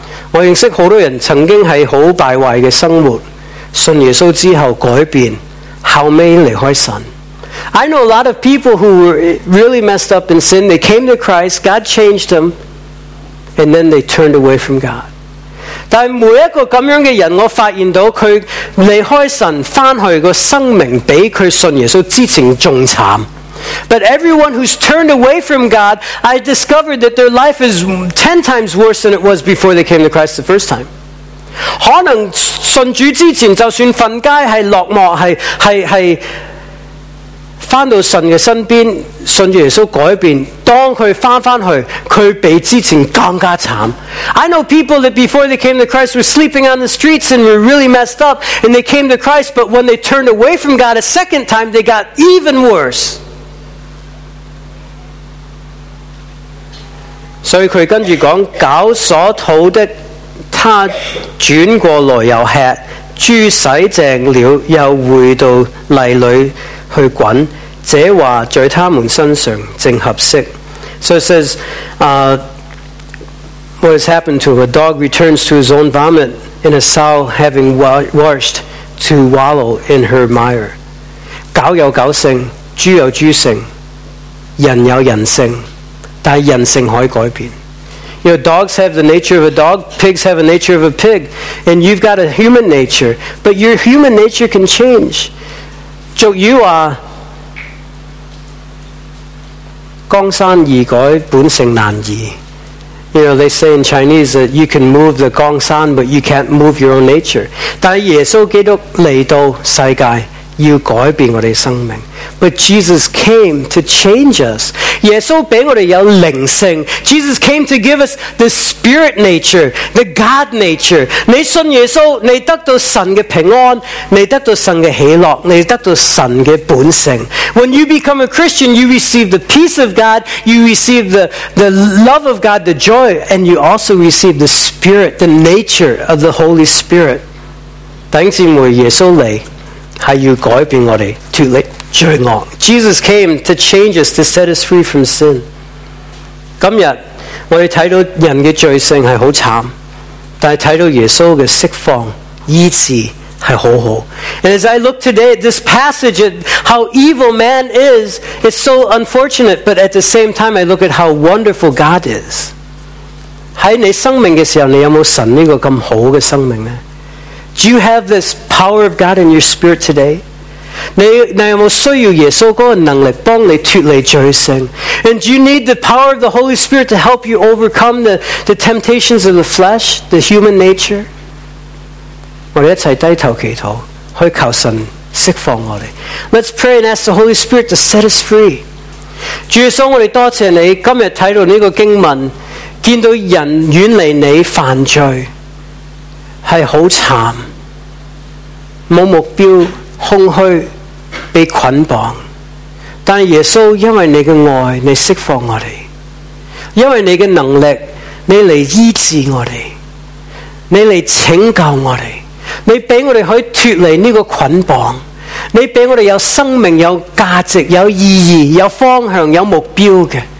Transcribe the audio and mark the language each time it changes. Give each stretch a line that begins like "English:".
Chinese: 我认识很多人曾经是很败坏的生活，信耶稣之后改变，后来离开神。
English: I know a lot of people who were really messed up in sin. They came to Christ, God changed them, and then they turned away from God.
Chinese: 但每一个这样的人，我发现到他离开神回去的生命比他信耶稣之前更惨。
English: But everyone who's turned away from God, I discovered that their life is 10 times worse than it was before they came to Christ the first time.
Chinese: 可能信主之前，就算瞓街是落寞，是回到神的身边，信耶稣改变，当他回去，他比之前更加惨。
English: I know people that before they came to Christ were sleeping on the streets and were really messed up, and they came to Christ, but when they turned away from God a second time, they got even worse.
Chinese: 所以他跟着讲，绞所讨的，他转过来又吃，猪洗净了，又回到泥里去滚。这话在他们身上正合适。
English: So it says, what has happened to a dog returns to his own vomit, and a sow having washed to wallow in her mire.
Chinese: 狗有狗性，猪有猪性，人有人性，但人性可以改变。
English: You know, dogs have the nature of a dog, pigs have a nature of a pig, and you've got a human nature, but your human nature can change. So you are
Chinese: 江山易改，本性难移。
English: You know, they say in Chinese that you can move the 江山, but you can't move your own nature.
Chinese: 但耶稣基督来到世界，要改变我们的生命。
English: But Jesus came to change us.
Chinese: 耶稣给我们有灵性。
English: Jesus came to give us the spirit nature, the God nature.
Chinese: 你信耶稣，你得到神的平安，你得到神的喜乐，你得到神的本性。
English: When you become a Christian, you receive the peace of God, you receive the love of God, the joy, and you also receive the spirit, the nature of the Holy Spirit.
Chinese: 弟兄姊妹，耶稣来，是要改变我们脱离罪恶。
English: Jesus came to change us, to set us free from sin.
Chinese: 今天我们看到人的罪性是很惨，但是看到耶稣的释放、医治是很好。
English: And as I look today at this passage, at how evil man is, it's so unfortunate, but at the same time, I look at how wonderful God is.
Chinese: 在你生命的时候，你有没有神这个这么好的生命呢？
English: Do you have this power of God in your spirit today?
Chinese: 你有没有需要耶稣那个能力帮你脱离罪性？
English: And do you need the power of the Holy Spirit to help you overcome the temptations of the flesh, the human nature?
Chinese: 我们一起低头祈祷，去求神释放我们。
English: Let's pray and ask the Holy Spirit to set us free.
Chinese: 主耶稣，我们多谢你今天看到这个经文，见到人远离你犯罪是很惨，没目标，空虚，被捆绑。但耶稣，因为你的爱，你释放我们，因为你的能力，你来医治我们，你来拯救我们，你给我们可以脱离这个捆绑，你给我们有生命，有价值，有意义，有方向，有目标的。